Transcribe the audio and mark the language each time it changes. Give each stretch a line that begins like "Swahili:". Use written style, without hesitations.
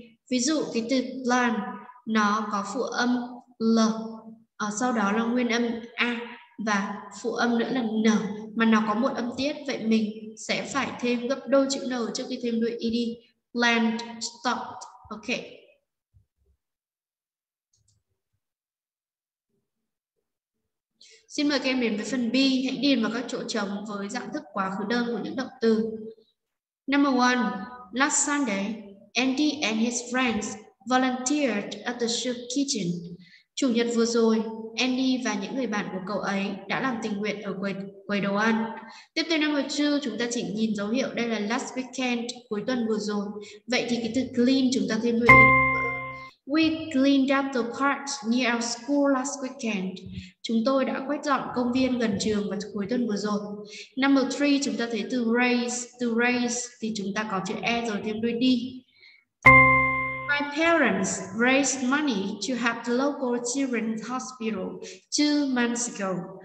Vietnamese: Ví dụ cái từ plan, nó có phụ âm l, sau đó là nguyên âm a và phụ âm nữa là n, mà nó có một âm tiết, vậy mình sẽ phải thêm gấp đôi chữ n trước khi thêm đuôi ed.
English: Plan stopped. Ok.
Vietnamese: Xin mời các em đến với phần B. Hãy điền vào các chỗ trống với dạng thức quá khứ đơn của những động từ.
English: Number one, last Sunday, Andy and his friends volunteered at the soup kitchen.
Vietnamese: Chủ nhật vừa rồi, Andy và những người bạn của cậu ấy đã làm tình nguyện ở quầy đồ ăn. Tiếp theo number two, chúng ta chỉ nhìn dấu hiệu đây là last weekend, cuối tuần vừa rồi. Vậy thì cái từ clean chúng ta thêm nguyện.
English: We cleaned up the park near our school last weekend.
Vietnamese: Chúng tôi đã quét dọn công viên gần trường vào cuối tuần vừa rồi.
English: Number 3,
Vietnamese: chúng ta thấy từ raise thì chúng ta có chữ E rồi thêm đuôi D.
English: My parents raised money to have the local children's hospital 2 months ago.